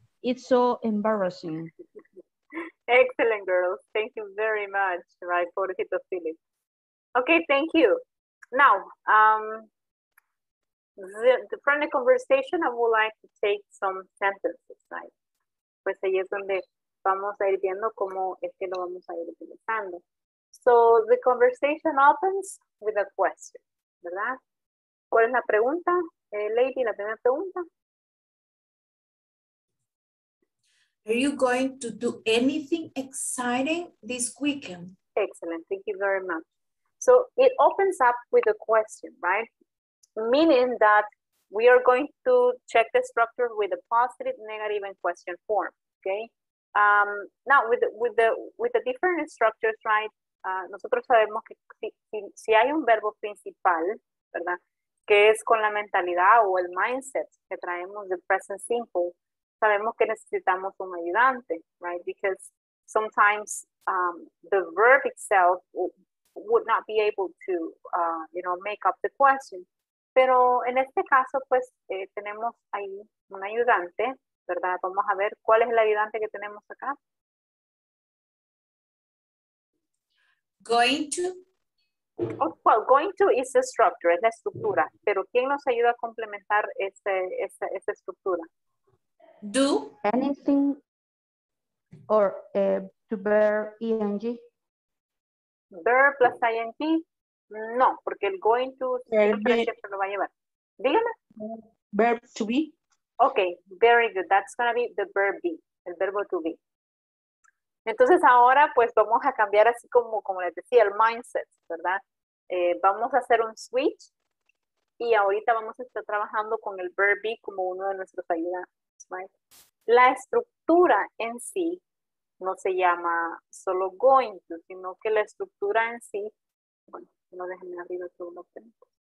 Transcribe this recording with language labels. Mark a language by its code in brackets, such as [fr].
[en] It's so embarrassing. Excellent, girls. Thank you very much, right, for the feeling. Okay, thank you. Now, from the conversation, I would like to take some sentences, right? [es] Pues ahí es donde vamos a ir viendo cómo es que lo vamos a ir utilizando. [en] So, the conversation opens with a question, ¿verdad? [es] ¿Cuál es la pregunta, Lady, la primera pregunta? [en] Are you going to do anything exciting this weekend? Excellent. Thank you very much. So it opens up with a question, right? Meaning that we are going to check the structure with a positive, negative, and question form. Okay. Now with the different structures, right? [es] Nosotros sabemos que si hay un verbo principal, ¿verdad? Que es con la mentalidad o el mindset que traemos de present simple. Sabemos que necesitamos un ayudante, right? [en] Because sometimes the verb itself would not be able to, you know, make up the question. [es] Pero en este caso, pues, tenemos ahí un ayudante, ¿verdad? Vamos a ver, ¿cuál es el ayudante que tenemos acá? [en] Going to. Oh, well, going to is the structure, [es] es la estructura. Pero ¿quién nos ayuda a complementar esa estructura? [en] Do anything or to bear ing? Bear plus ing? [es] No, porque el going to siempre lo va a llevar. Dígame. [en] Verb to be. Okay, very good. That's going to be the verb be, [es] el verbo to be. Entonces ahora pues vamos a cambiar así como les decía, el mindset, ¿verdad? Vamos a hacer un switch y ahorita vamos a estar trabajando con el verb be como uno de nuestros ayudantes. La estructura en sí no se llama solo going to, sino que la estructura en sí, bueno, no déjenme arriba todo lo que tengo.